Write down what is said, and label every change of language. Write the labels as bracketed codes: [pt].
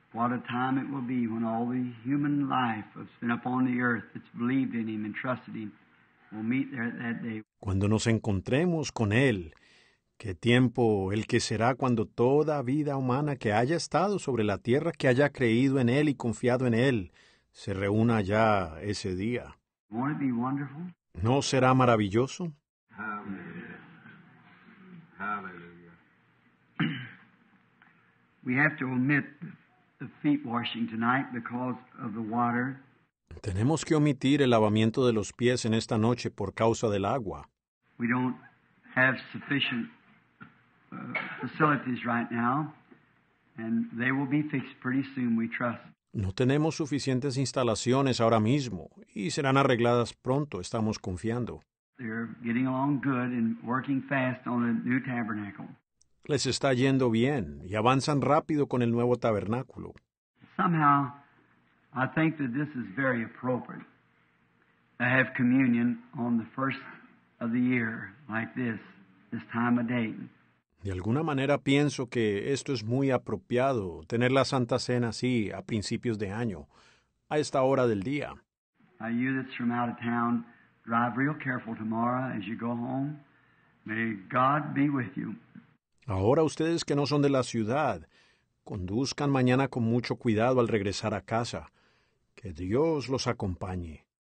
[en] What a time it will be when all the human life that's been upon the earth, that's believed in him and trusted him, will meet there that day. [es] Cuando nos encontremos con él, qué tiempo el que será cuando toda vida humana que haya estado sobre la tierra, que haya creído en él y confiado en él, se reúna ya ese día. [en] Won't it be wonderful? [es] ¿No será maravilloso? [en] Hallelujah. Hallelujah. We have to omit the feet washing tonight because of the water. [es] Tenemos que omitir el lavamiento de los pies en esta noche por causa del agua. [en] We don't have sufficient facilities right now, and they will be fixed pretty soon, we trust. [es] No tenemos suficientes instalaciones ahora mismo, y serán arregladas pronto, estamos confiando. [en] They're getting along good and working fast on the new tabernacle. [es] Les está yendo bien y avanzan rápido con el nuevo tabernáculo. [en] Somehow, I think that this is very appropriate to have communion on the first of the year like this, this time of day. [es] De alguna manera pienso que esto es muy apropiado, tener la Santa Cena así a principios de año, a esta hora del día. [en] Now you that's from out of town, drive real careful tomorrow as you go home. May God be with you. [es] Ahora, ustedes que no son de la ciudad, conduzcan mañana con mucho cuidado al regresar a casa. Que Dios los acompañe.